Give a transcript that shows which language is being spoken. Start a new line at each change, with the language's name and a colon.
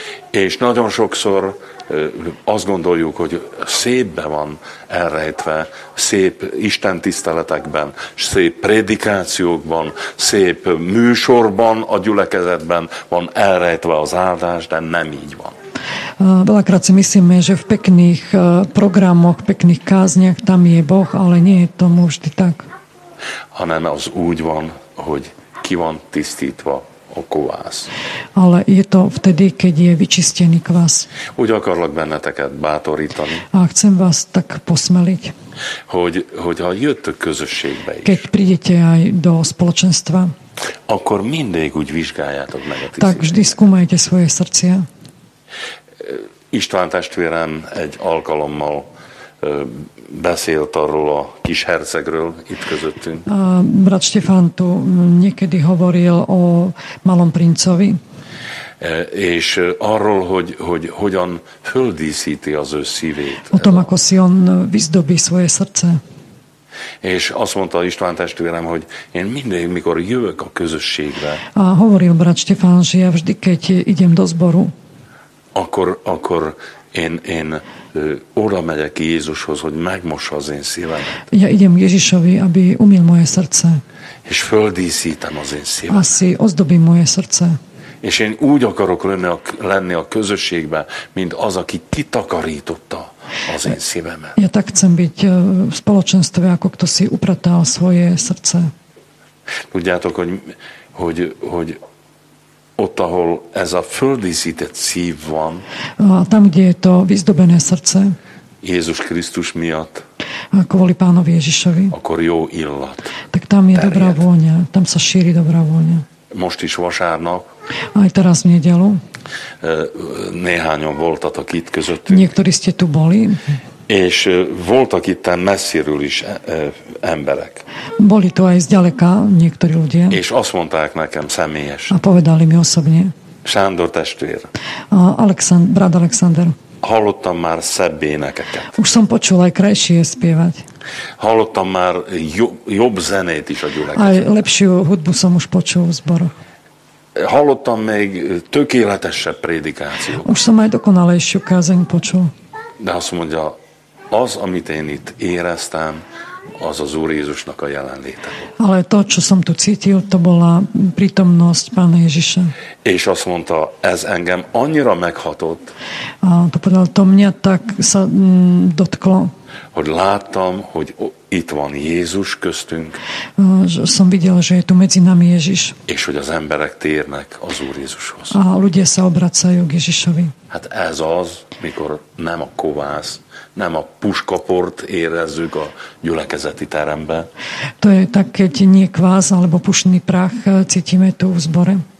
Hungarian: És nagyon sokszor azt gondoljuk, hogy szépben van elrejtve, szép Isten tiszteletekben, szép prédikációkban, szép műsorban a gyülekezetben van elrejtve az áldás, de nem így van.
Slovak: Veľakrát si myslíme, že v pekných programoch, pekných kázniach tam je Boh, ale nie je to vždy tak.
Hungarian: Hanem az úgy van, hogy ki van tisztítva a kovász.
Slovak: Ale je to vtedy, keď je vyčistený kvás.
Hungarian: Úgy akarlak benneteket bátorítani.
Slovak: A chcem vás tak posmeliť.
Hungarian: Hogy ha jöttök közösségbe is.
Slovak: Keď prídete aj do spoločenstva.
Hungarian: Akkor mindig úgy vizsgáljátok meg a tisztítást.
Slovak: Tak vždy skúmajte svoje srdcia.
Hungarian: István testvérem egy alkalommal beszélt arról a kis hercegről itt közöttünk.
Slovak: Brat Štefán tu niekedy hovoril o malom princovi.
Hungarian: És arról, hogy hogyan földíszíti az ő szívét.
Slovak: O tom, ako si on vyzdobí svoje srdce.
Hungarian: És azt mondta István testvérem, hogy én mindig, mikor jövök a közösségbe.
Slovak: A hovoril brat Štefán, že ja vždy, keď idem do zboru,
Hungarian: akkor én oda megyek Jézushoz, hogy megmossa az én szívemet.
Slovak: Ja idem Ježišovi, aby umil moje srdce.
Hungarian: És földíszítem az én szívemet.
Slovak: A si ozdobím moje srdce.
Hungarian: És én úgy akarok lenni a közösségbe, mint az, aki kitakarította az én szívemet.
Slovak: Ja tak chcem byť v spoločenstve, ako kto si upratal svoje srdce.
Hungarian: Tudjátok, hogy ott, ahol ez a földíszített szív van.
Slovak: A tam, kde je to vyzdobené srdce.
Hungarian: Jézus Krisztus miatt.
Slovak: A kvôli Pánovi Ježišovi.
Hungarian: Akkor jó illat.
Slovak: Tak tam je dobrá vôňa. Tam sa šíri dobrá vôňa.
Hungarian: Most is vasárnap.
Slovak: Aj teraz v nedelu.
Hungarian: Néhányan voltatok itt közöttünk.
Slovak: Niektorí ste tu boli.
Hungarian: És voltak itt messziről is emberek.
Slovak: Boli tu aj zďaleka niektorí ľudia.
Hungarian: És azt mondták nekem személyesen.
Slovak: A povedali mi osobne.
Hungarian: Sándor testvér.
Slovak: Brat Alexander.
Hungarian: Hallottam már szebb énekeket.
Slovak: Už som počul aj krajšie spievať.
Hungarian: Hallottam már jobb zenét is a gyülekezetben.
Slovak: Aj lepšiu hudbu som už počul v zboroch.
Hungarian: Hallottam még tökéletesebb prédikációt.
Slovak: Už som aj dokonalejšiu kázeň počul.
Hungarian: De azt mondja, az, amit én itt éreztem, az az Úr Jézusnak a jelenléte.
Slovak: Ale to, čo som tu cítil, to bola prítomnosť Pána Ježiša.
Hungarian: És azt mondta, ez engem annyira meghatott.
Slovak: A to povedal, to mňa tak sa dotklo.
Hungarian: Hogy láttam, hogy itt van Jézus köztünk.
Slovak: Som videl, že je tu medzi nami Ježiš.
Hungarian: És hogy az emberek térnek az Úr Jézushoz.
Slovak: A ľudia sa obracajú k Ježišovi.
Hungarian: Hát ez az, mikor nem a kovász, nem a puskaport érezzük a gyülekezeti terembe.
Slovak: To je tak, keď nie kváz, alebo pušný prach cítime tu v zbore.